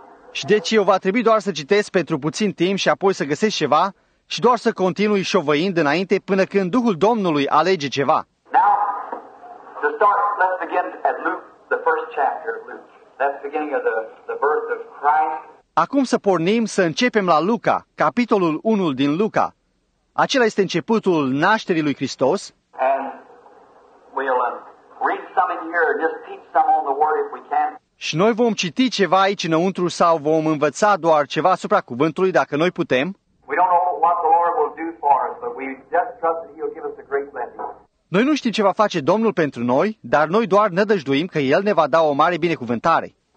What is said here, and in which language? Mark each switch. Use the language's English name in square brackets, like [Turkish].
[Romanian] Și deci eu va trebui doar să citesc pentru puțin timp și apoi să găsesc ceva și doar să continui șovăind înainte până când Duhul Domnului alege ceva. [English] Now, to start, let's begin at Luke, the first chapter of Luke. That's the beginning of the birth of Christ. [Romanian] Acum să pornim, să începem la Luca, capitolul 1 din Luca. Acela este începutul nașterii lui Hristos. [English] And we'll read some in here, just teach some on the word if we can. [Romanian] Și noi vom citi ceva aici înăuntru sau vom învăța doar ceva asupra cuvântului dacă noi putem. [English] We don't know what the Lord will do for us, but we just trust that he'll give us a great blessing. [Romanian] Noi nu știm ce va face Domnul pentru noi, dar noi doar nădăjduim că El ne va da o mare binecuvântare.